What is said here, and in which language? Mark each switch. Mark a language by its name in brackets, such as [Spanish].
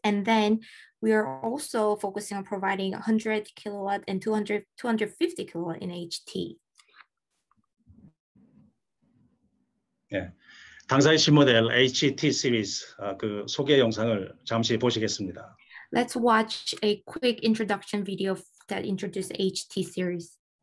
[English] And then we are also focusing on providing 100 kilowatt and 200, 250 kilowatt in HT. [Korean] 예, 당사의 신 모델 HT 시리즈 그 소개 영상을 잠시 보시겠습니다. [English] Let's watch a quick introduction video that introduces HT series.